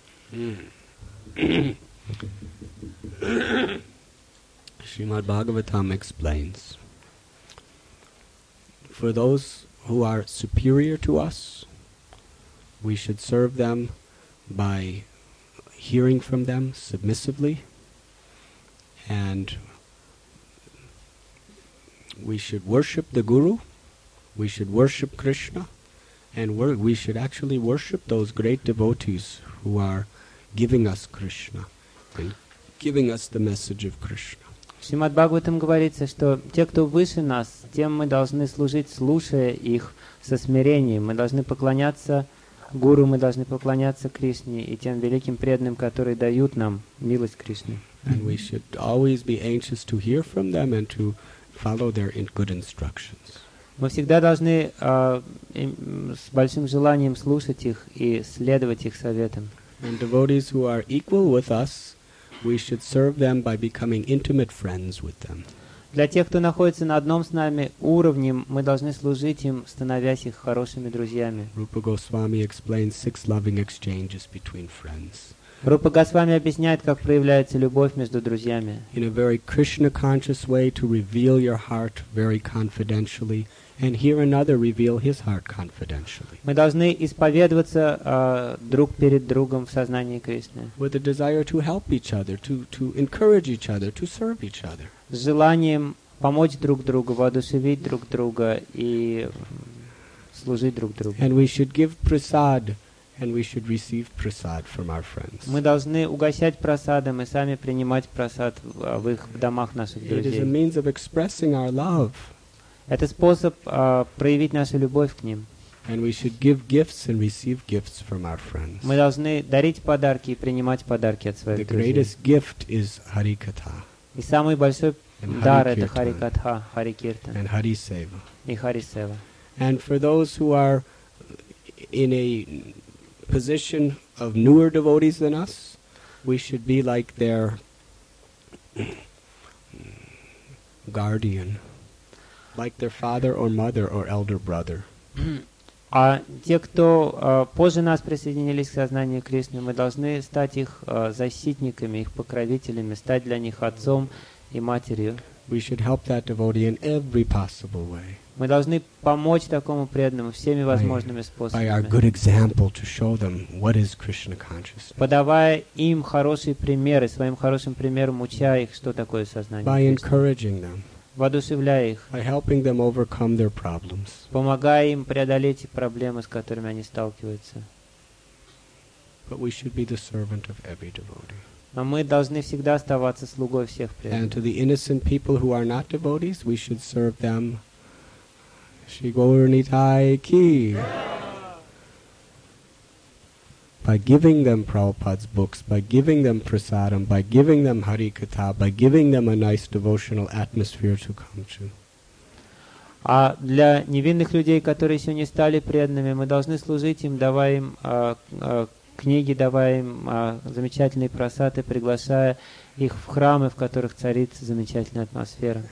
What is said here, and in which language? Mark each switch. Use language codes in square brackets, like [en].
[en] Srimad Bhagavatam explains, for those who are superior to us, we should serve them by hearing from them submissively, and we should worship the Guru, we should worship Krishna, and we should actually worship those great devotees who are giving us Krishna and giving us the message of Krishna. [ru] В Шримад-Бхагаватам говорится, что те, кто выше нас, тем мы должны служить, слушая их со смирением. Мы должны поклоняться Гуру, мы должны поклоняться Кришне и тем великим преданным, которые дают нам милость Кришны. [en] And we should always be anxious to hear from them and to follow their good instructions. [ru] Мы всегда должны с большим желанием слушать их и следовать их советам. [en] And devotees who are equal with us, we should serve them by becoming intimate friends with them. [ru] Для тех, кто находится на одном с нами уровне, мы должны служить им, становясь их хорошими друзьями. [en] Rupa Goswami explains 6 loving exchanges between friends. [ru] Rupa Goswami объясняет, как проявляется любовь между друзьями. [en] In a very Krishna conscious way, to reveal your heart very confidentially and hear another reveal his heart confidentially. [ru] Мы должны исповедоваться друг перед другом в сознании Кришны. [en] With a desire to help each other, to encourage each other, to serve each other. [ru] С желанием помочь друг другу, воодушевить друг друга и служить друг другу. [en] And we should give prasad, and we should receive prasad from our friends. [ru] Мы должны угощать прасадом и сами принимать прасад в их домах наших друзей. [en] It is a means of expressing our love. [ru] Это способ проявить нашу любовь к ним. [en] And we should give gifts and receive gifts from our friends. [ru] Мы должны дарить подарки и принимать подарки от своих друзей. [en] The greatest gift is Harikatha. [ru] И самый большой дар — это Харикатха, Харикиртан. [en] And Хари-сева. [ru] И Хари-сева. [en] And for those who are in a position of newer devotees than us, we should be like their guardian. Like their father or mother or elder brother. [ru] А те, кто позже нас присоединились к сознанию Кришны, мы должны стать их защитниками, их покровителями, стать для них отцом и матерью. [en] We should help that devotee in every possible way. [ru] Мы должны помочь такому преданному всеми возможными способами. [en] By our good example to show them what is Krishna consciousness. [ru] Подавая им хорошие примеры, своим хорошим примером уча их, что такое сознание [en] Кришны. By encouraging them. [ru] Воодушевляя их. [en] By helping them overcome their problems. [ru] Помогая им преодолеть проблемы, с которыми они сталкиваются. [en] But we should be the servant of every devotee. [ru] Но мы должны всегда оставаться слугой всех преданных. [en] And to the innocent people who are not devotees, we should serve them. Shri Gauranitai ki. By giving them Prabhupada's books, by giving them prasadam, by giving them Harikatha, by giving them a nice devotional atmosphere to come to. [ru] А для невинных людей, которые еще не стали преданными, мы должны служить им, давая им книги, давая им замечательные прасады, приглашая их в храмы, в которых царит замечательная атмосфера.